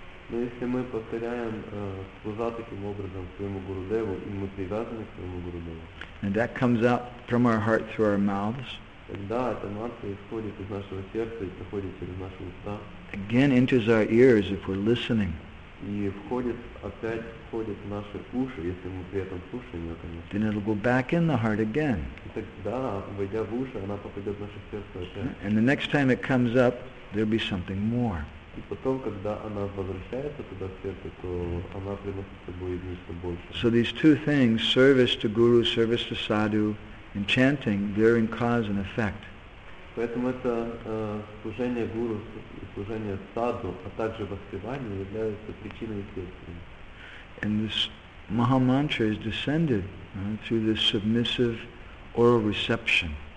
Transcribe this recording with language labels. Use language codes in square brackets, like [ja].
[ru] Но если мы повторяем служа таким образом своему Гурудеву и мы привязаны к своему Гурудеву. [en] And that comes out from our heart through our mouths. [ru] Тогда эта мантра исходит из нашего сердца и проходит через наши уста. [en] Again enters our ears if we're listening. [ru] И входит, опять входит в наши уши, если мы при этом слушаем ее, конечно. [en] Then it'll go back in the heart again. [ru] И тогда, войдя в уши, она попадет в наше сердце опять. [en] And the next time it comes up, there'll be something more. [ru] И потом, когда она возвращается туда в сердце, то она приносит с собой нечто большее. [en] So these two things, service to Guru, service to Sadhu, in chanting, they're in cause and effect. [ru] Поэтому это служение гуру, служение саду, а также воспевание являются причиной и следствием. [en] And this maha mantra is descended through this submissive oral reception.